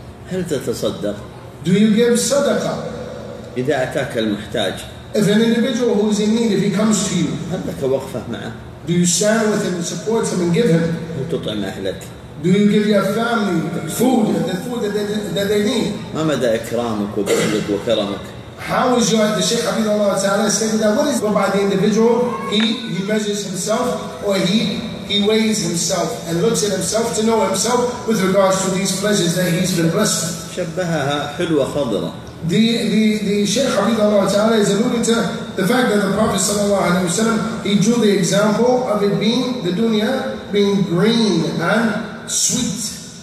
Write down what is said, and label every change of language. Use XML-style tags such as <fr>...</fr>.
<ar>هل تتصدق؟</ar> <en>Do you give صدقة؟</en> <ar>إذا أتاك المحتاج.</ar> <en>If an individual who is in need, if he comes to you,</en> <ar>هل لك وقفة معه؟</ar> <en>Do you stand with him and support him and give him?</en> <ar>هل تطعم أهلك؟</ar> <en>Do you give your family food, the food that they need?</en> <ar>ما مدى إكرامك وبذلك وكرمك؟</ar> <en>How is your the Shaykh Abidullah Ta'ala saying that what is by the individual? He measures himself or he weighs himself and looks at himself to know himself with regards to these pleasures that he's been blessed with.</en> <ar>شبهها حلوة خضرة.</ar> <en>The Shaykh Abidullah Ta'ala is alluding to the fact that the Prophet Sallallahu Alaihi Wasallam, he drew the example of it being the dunya being green and sweet.</en>